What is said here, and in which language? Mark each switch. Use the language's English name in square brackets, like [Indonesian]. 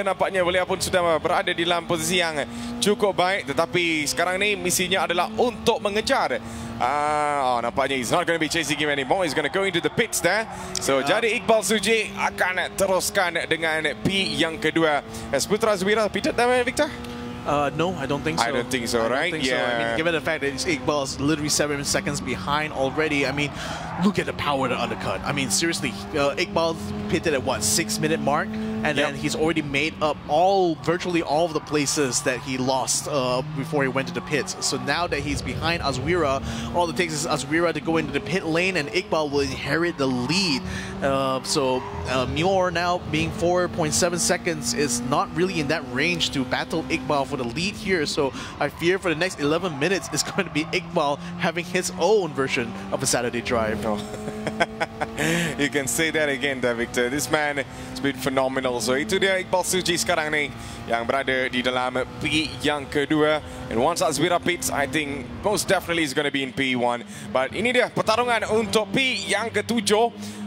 [Malay] Nampaknya beliau pun sudah berada di dalam posisi yang cukup baik, tetapi sekarang ini misinya adalah untuk mengejar. [English] Nampaknya he's not going to be chasing him anymore. He's going to go into the pits there. [Malay] So, yeah. Jadi Iqbal Suji akan teruskan dengan P yang kedua. [English] Has Putra Zubira pitted them, Victor? No, I don't think so. I don't think so. I mean, given the fact that Iqbal is literally 7 seconds behind already, I mean, look at the power of the undercut. I mean, seriously, Iqbal pitted at, what, 6 minute mark? And then he's already made up virtually all of the places that he lost before he went to the pits. So now that he's behind Azwira, all it takes is Azwira to go into the pit lane, and Iqbal will inherit the lead. Muir now being 4.7 seconds is not really in that range to battle Iqbal for the lead here. So I fear for the next 11 minutes it's going to be Iqbal having his own version of a Saturday drive. No. You can say that again, Victor. This man has been phenomenal. [Malay] So itu dia Iqbal Suji sekarang ni yang berada di dalam P yang kedua. [English] And once Azwira pits, I think most definitely he's going to be in P1. [Malay] But ini dia pertarungan untuk P yang ketujuh.